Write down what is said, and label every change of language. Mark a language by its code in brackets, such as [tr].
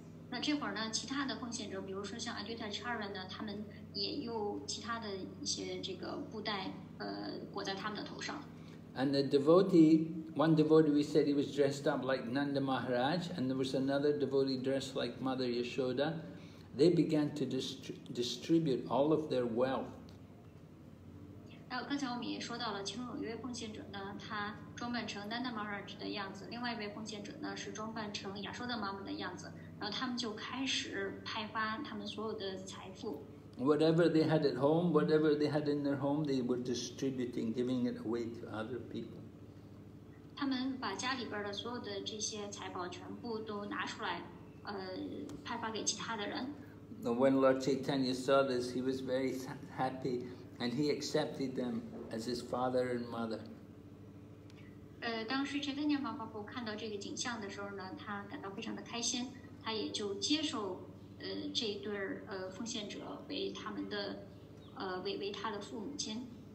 [zh] 那这会儿呢，其他的奉献者，比如说像 Advaita Acharya 呢，他们也用其他的一些这个布袋，裹在他们的头上。 [en] And the devotee, one devotee, we said he was dressed up like Nanda Maharaj, and there was another devotee dressed like Mother Yashoda. They began to distribute all of their wealth. [zh] 然后刚才我们也说到了，其中有一位奉献者呢，他装扮成 Nanda Maharaj 的样子，另外一位奉献者呢是装扮成亚瑟的妈妈的样子，然后他们就开始派发他们所有的财富。 [en] Whatever they had at home, whatever they had in their home, they were distributing, giving it away to other people. [zh] 他们把家里边的所有的这些财宝全部都拿出来，派发给其他的人。 [en] When Lord Chaitanya saw this, he was very happy, and he accepted them as his father and mother. [zh] 当时 Chaitanya Mahaprabhu 看到这个景象的时候呢，他感到非常的开心，他也就接受这一对奉献者为他们的为他的父母亲。